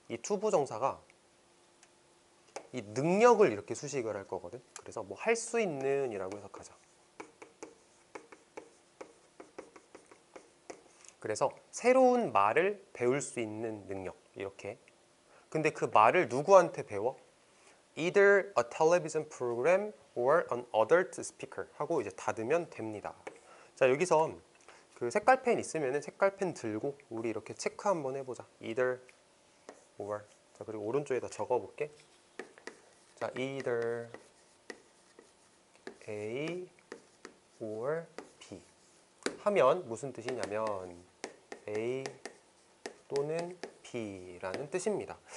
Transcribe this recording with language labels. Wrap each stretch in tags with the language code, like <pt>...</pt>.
<ko>이 to 부정사가 이 능력을 이렇게 수식을 할 거거든. 그래서 뭐할수 있는이라고 해석하자. 그래서 새로운 말을 배울 수 있는 능력 이렇게. 근데 그 말을 누구한테 배워?</ko> <en>Either a television program or an adult speaker</en> <ko>하고 이제 닫으면 됩니다. 자, 여기서 그 색깔펜 있으면은 색깔펜 들고 우리 이렇게 체크 한번 해보자.</ko> <en>Either or.</en> <ko>자, 그리고 오른쪽에다 적어볼게. 자, either A or B 하면 무슨 뜻이냐면 A 또는 B라는 뜻입니다.</ko>